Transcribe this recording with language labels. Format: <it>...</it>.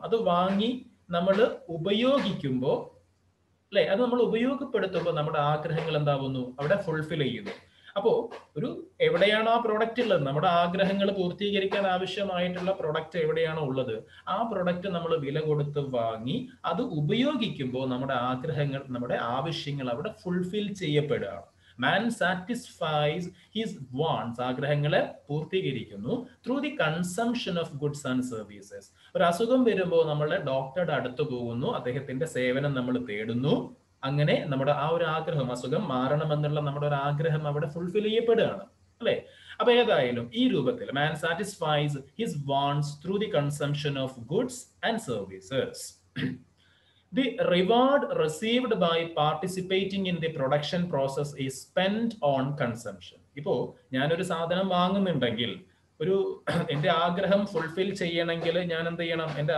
<ml>അത് വാങ്ങി നമ്മൾ ഉപയോഗിക്കുമ്പോൾ അല്ലേ, അത് നമ്മൾ ഉപയോഗപ്പെടുത്തുമ്പോൾ നമ്മുടെ ആഗ്രഹങ്ങൾ എന്താവുന്നു? അവിടെ ഫുൾഫിൽ ചെയ്യുന്നു. അപ്പോൾ ഒരു എവിടെയാണ് ആ പ്രൊഡക്റ്റ് ഉള്ളത്, നമ്മുടെ ആഗ്രഹങ്ങൾ പൂർത്തീകരിക്കാൻ ആവശ്യമായിട്ടുള്ള പ്രൊഡക്റ്റ് എവിടെയാണോ ഉള്ളത്, ആ പ്രൊഡക്റ്റ് നമ്മൾ വില കൊടുത്ത് വാങ്ങി അത് ഉപയോഗിക്കുമ്പോൾ നമ്മുടെ ആഗ്രഹങ്ങൾ, നമ്മുടെ ആവശ്യങ്ങൾ അവിടെ ഫുൾഫിൽ ചെയ്യപ്പെടുകയാണ്.</ml> <en>Man satisfies his wants,</en> <ml>ആഗ്രഹങ്ങളെ പൂർത്തീകരിക്കുന്നു,</ml> <en>through the consumption of goods and services.</en> <ml>ഒരു അസുഖം വരുമ്പോൾ നമ്മൾ ഡോക്ടറുടെ അടുത്ത് പോകുന്നു, അദ്ദേഹത്തിന്റെ സേവനം നമ്മൾ തേടുന്നു, അങ്ങനെ നമ്മുടെ ആ ഒരു ആഗ്രഹം, അസുഖം മാറണമെന്നുള്ള നമ്മുടെ ഒരു ആഗ്രഹം അവിടെ ഫുൾഫിൽ ചെയ്യപ്പെടുകയാണ് അല്ലേ. അപ്പൊ ഏതായാലും ഈ രൂപത്തിൽ</ml> <en>Man satisfies his wants through the consumption of goods and services. The reward received by participating in the production process is spent on consumption.</en> <ml>ഇപ്പോ ഞാനൊരു സാധനം വാങ്ങുന്നുണ്ടെങ്കിൽ, ഒരു എന്റെ ആഗ്രഹം ഫുൾഫിൽ ചെയ്യണമെങ്കിൽ ഞാൻ എന്ത് ചെയ്യണം?</ml>